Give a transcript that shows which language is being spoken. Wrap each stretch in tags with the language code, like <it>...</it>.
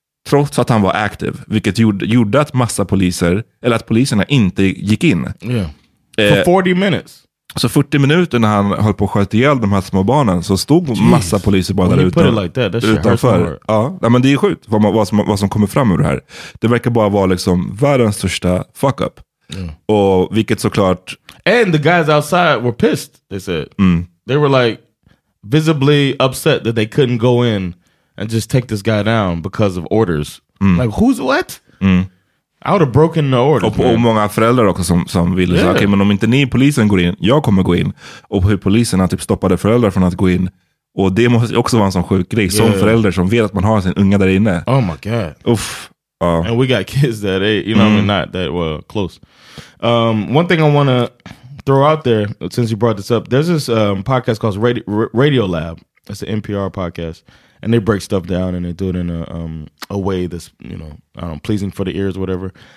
<sv>Trots att han var aktiv, vilket gjorde att massa poliser, eller att poliserna inte gick in.</sv> <en>Yeah. For 40 minutes.</en> <sv>Så 40 minuter när han höll på att sköta ihjäl de här små barnen så stod massa poliser bara utanför. Ja, men det är sjukt vad som kommer fram ur det här. Det verkar bara vara liksom världens största fuck up. Yeah. Och vilket såklart...</sv> <en>And the guys outside were pissed, they said. Mm. They were like visibly upset that they couldn't go in and just take this guy down because of orders. Mm. Like, who's what? Mm. I would have broken the order.</en> <sv>Och många föräldrar också som ville säga, okej, men om inte ni polisen går in, jag kommer gå in. Och hur poliserna typ stoppade föräldrar från att gå in. Och det måste också vara en sån sjuk grej. Yeah. Som förälder som vet att man har sin unga där inne.</sv> <en>Oh my god. Uff. And we got kids that, you know, we're not that well close. One thing I want to throw out there, since you brought this up. There's this podcast called Radio Lab. It's an NPR podcast. And they break stuff down and they do it in a way that's, you know, I don't know, pleasing for the ears or whatever.</en>